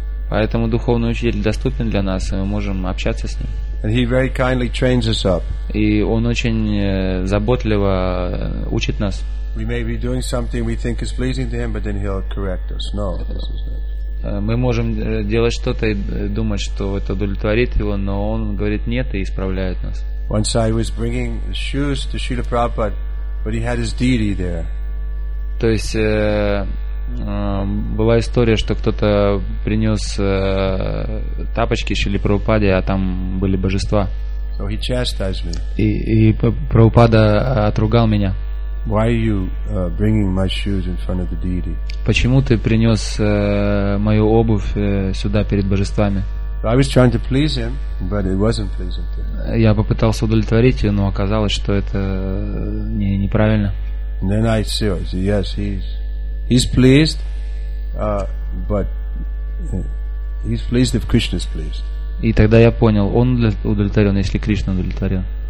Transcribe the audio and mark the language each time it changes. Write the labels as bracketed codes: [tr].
[ru] Поэтому духовный учитель доступен для нас, и мы можем общаться с ним. [en] And he very kindly trains us up. [ru] И он очень заботливо учит нас. [en] We may be doing something we think is pleasing to him, but then he'll correct us. No, this is not. [ru] Мы можем делать что-то и думать, что это удовлетворит его, но он говорит нет и исправляет нас. [en] Once I was bringing shoes to Srila Prabhupada, but he had his deity there. [ru] То есть была история, что кто-то принес тапочки Шрили Прабхупаде, а там были божества. [en] So he chastised me. [ru] И Прабхупада отругал меня. [en] Why are you bringing my shoes in front of the deity? [ru] Почему ты принес мою обувь сюда перед божествами? [en] I was trying to please him, but it wasn't pleasing to him. [ru] Я попытался удовлетворить ее, но оказалось, что это неправильно. [en] And then I said, yes, he's pleased, but he's pleased if Krishna is pleased. [ru] И тогда я понял, он удовлетворен, если Кришна удовлетворен.